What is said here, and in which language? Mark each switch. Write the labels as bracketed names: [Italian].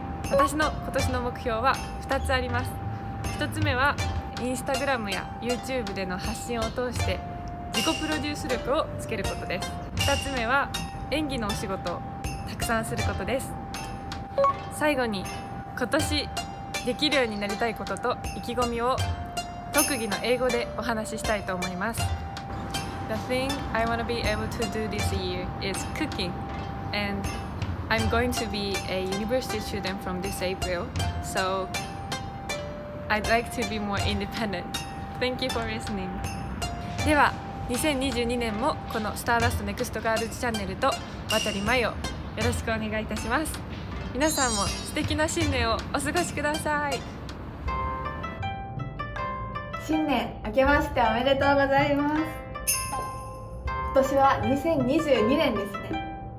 [Japanese] 私の今年の目標は2つあります。1つ目はインスタグラムや YouTube での発信を通して自己プロデュース力をつけることです。 2つ目は演技のお仕事をたくさんすることです。最後に今年できるようになりたいことと意気込みを特技の英語でお話ししたいと思います。 [English] The thing I want to be able to do this year is cooking, and I'm going to be a university student from this April, so I'd like to be more independent. Thank you for listening. [Japanese] では2022年もこのスターダストネクストガールズチャンネルと渡里舞をよろしくお願いいたします。皆さんも素敵な新年をお過ごしください。新年明けましておめでとうございます。今年は2022年ですね。